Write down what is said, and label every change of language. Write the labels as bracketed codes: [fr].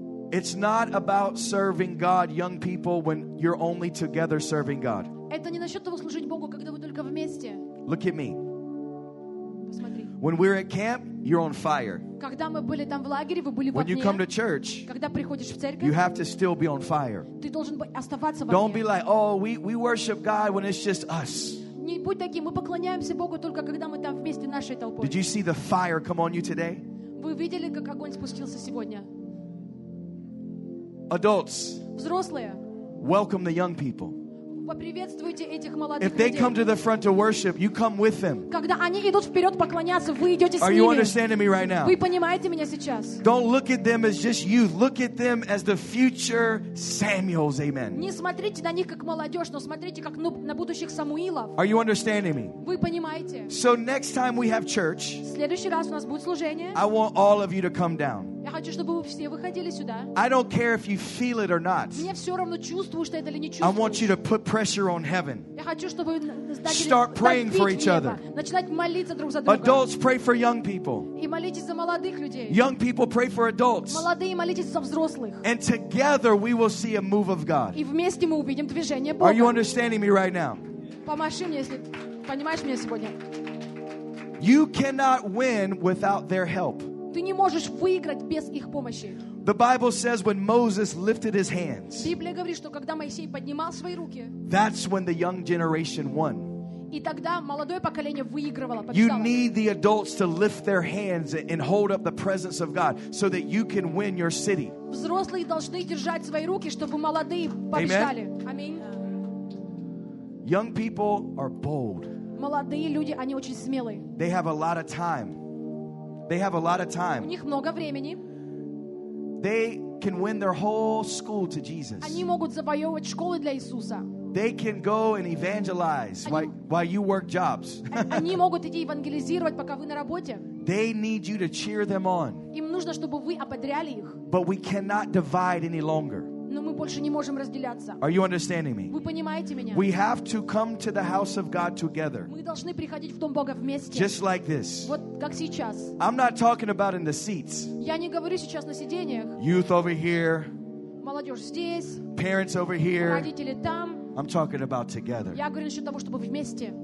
[en] It's not about serving God, young people, when you're only together serving God. [ru] Это не насчет того, служить Богу, когда вы только вместе. [en] Look at me. [ru] Посмотри. [en] When we're at camp, you're on fire. [ru] Когда мы были там в лагере, вы были в огне. [en] When you come to church, [ru] когда приходишь в церковь, [en] you have to still be on fire. [ru] Ты должен оставаться в огне. [en] Don't be like, "Oh, we worship God when it's just us." [ru] Не будь таким. Мы поклоняемся Богу только когда мы там вместе нашей толпой. [en] Did you see the fire come on you today? [ru] Вы видели, как огонь спустился сегодня? [en] Adults. [ru] Взрослые. [en] Welcome the young people. [ru] Поприветствуйте этих молодых. [en] If they come to the front to worship, you come with them. [ru] Когда они идут вперед поклоняться, вы идете с ними. [en] Are you understanding me right now? [ru] Вы понимаете меня сейчас? [en] Don't look at them as just youth. Look at them as the future Samuels. Amen. [ru] Не смотрите на них как молодежь, но смотрите как на будущих Самуилов. [en] Are you understanding me? [ru] Вы понимаете? [en] So next time we have church, [ru] в следующий раз у нас будет служение. [en] I want all of you to come down. [ru] Я хочу, чтобы вы все выходили сюда. [en] I don't care if you feel it or not. [ru] Мне все равно, чувствую, что это или не чувствую. [en] I want you to put pressure on heaven. [ru] Я хочу, чтобы вы [en] start praying for each other. [ru] Начинать молиться друг за друга. [en] Adults pray for young people. [ru] И молитесь за молодых людей. [en] Young people pray for adults. [ru] Молодые молитесь за взрослых. [en] And together we will see a move of God. [ru] И вместе мы увидим движение Бога. [en] Are you understanding me right now? [ru] Помаши мне, если понимаешь меня сегодня. [en] You cannot win without their help. [ru] ты не можешь выиграть без их помощи. [en] The Bible says when Moses lifted his hands. [ru] Библия говорит, что когда Моисей поднимал свои руки. [en] That's when the young generation won. [ru] И тогда молодое поколение выигрывало, побеждало. [en] You need the adults to lift their hands and hold up the presence of God so that you can win your city. [ru] Взрослые должны держать свои руки, чтобы молодые побеждали. Аминь. [en] Young people are bold. [ru] Молодые люди, они очень смелые. [en] They have a lot of time. They have a lot of time. [ru] У них много времени. [en] They can win their whole school to Jesus. [ru] Они могут завоевывать школы для Иисуса. [en] They can go and evangelize while you work jobs. [ru] Они могут идти евангелизировать, пока вы на работе. [en] They need you to cheer them on. [ru] Им нужно, чтобы вы ободряли их. [en] But we cannot divide any longer. [ru] Но мы больше не можем разделяться. [en] Are you understanding me? [ru] Вы понимаете меня? [en] We have to come to the house of God together. [ru] Мы должны приходить в дом Бога вместе. [en] Just like this. [ru] Вот как сейчас. [en] I'm not talking about in the seats. [ru] Я не говорю сейчас на сиденьях. [en] Youth over here. [ru] Молодежь здесь. [en] Parents over here. [ru] Родители там. [en] I'm talking about together. [ru] Я говорю насчет того, чтобы вместе.